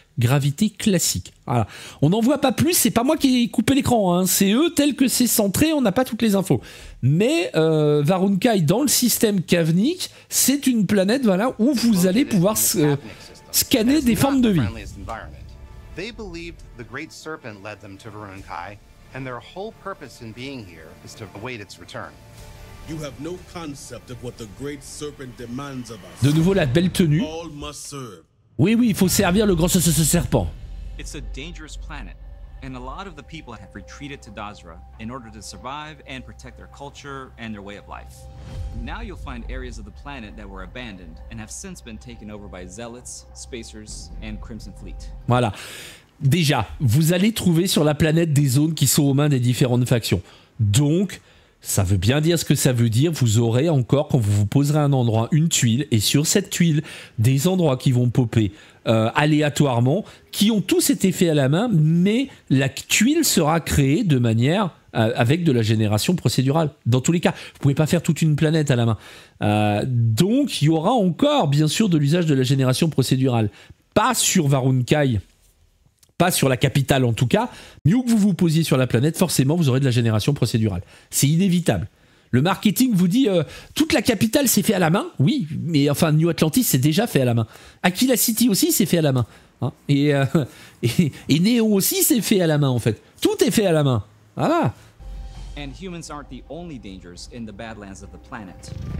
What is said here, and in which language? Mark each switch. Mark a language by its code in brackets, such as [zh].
[fr] Gravité classique. Voilà. On n'en voit pas plus. C'est pas moi qui ai coupé l'écran. Hein. C'est eux, tel que c'est centré, on n'a pas toutes les infos. Mais Varun Kai, dans le système Kavnik, c'est une planète voilà, où vous allez pouvoir scanner des formes de vie. [en] They believed the Great Serpent led them to Varun Kai, and their whole purpose in being here is to await its return. You have no concept of what the great serpent demands of us. [fr] De nouveau la belle tenue. [en] All must serve. [fr] Oui, oui, il faut servir le grand serpent. [en] It's a dangerous planet, and a lot of the people have retreated to Dazra in order to survive and protect their culture and their way of life. Now you'll find areas of the planet that were abandoned and have since been taken over by zealots, spacers, and Crimson Fleet. [fr] Voilà. Déjà, vous allez trouver sur la planète des zones qui sont aux mains des différentes factions. Donc, ça veut bien dire ce que ça veut dire. Vous aurez encore, quand vous vous poserez un endroit, une tuile. Et sur cette tuile, des endroits qui vont popper aléatoirement, qui ont tous été faits à la main, mais la tuile sera créée de manière avec de la génération procédurale. Dans tous les cas, vous ne pouvez pas faire toute une planète à la main. Donc, il y aura encore, bien sûr, de l'usage de la génération procédurale. Pas sur Varun Kai. Pas sur la capitale en tout cas, mieux que vous vous posiez sur la planète, forcément vous aurez de la génération procédurale. C'est inévitable. Le marketing vous dit toute la capitale s'est fait à la main, oui, mais enfin New Atlantis s'est déjà fait à la main. Aquila City aussi s'est fait à la main. Hein. Et Neo aussi s'est fait à la main en fait. Tout est fait à la main. Voilà. [en] And humans aren't the only dangers in the badlands of the planet.